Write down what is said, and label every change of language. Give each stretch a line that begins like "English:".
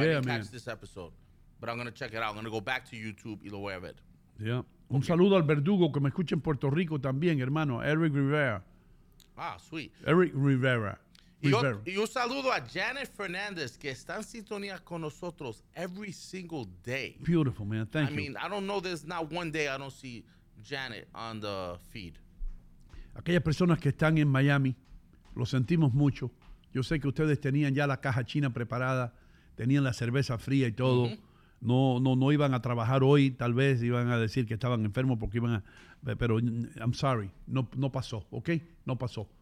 English: Yeah, I didn't catch this episode, but I'm going to check it out. I'm going to go back to YouTube
Spanish: y lo voy a ver.
English: Yeah. Okay.
Spanish: Un saludo al verdugo que me escucha en Puerto Rico también, hermano. Eric Rivera.
English: Ah, sweet. Eric Rivera.
Spanish: Y un saludo a Janet Fernandez, que está en sintonía con nosotros
English: every single day. Beautiful, man. Thank you. I mean, I don't know, there's not one day I don't see Janet on the feed.
Spanish: Aquellas personas que están en Miami, lo sentimos mucho. Yo sé que ustedes tenían ya la caja china preparada, tenían la cerveza fría y todo. Mm-hmm. No iban a trabajar hoy, tal vez iban a decir que estaban enfermos porque iban a... Pero
English: I'm sorry,
Spanish: no pasó, ¿ok? No pasó.